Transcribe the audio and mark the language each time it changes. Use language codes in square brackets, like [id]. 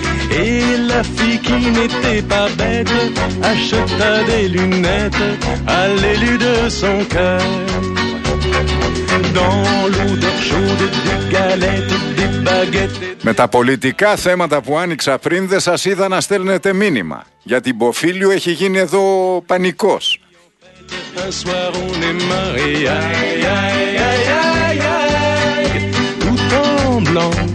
[fr] Et la fille qui n'était pas bête acheta des lunettes à l'élu de son cœur. Dans l'odeur chaude des galettes, des baguettes. [el] Με τα πολιτικά θέματα που άνοιξα πριν, δεν σας είδα να στέλνετε μήνυμα. Για την Ποφίλιο έχει γίνει εδώ πανικός. [fr] Un soir on est marié, aïe, aïe, aïe, aïe, aïe, tout en blanc.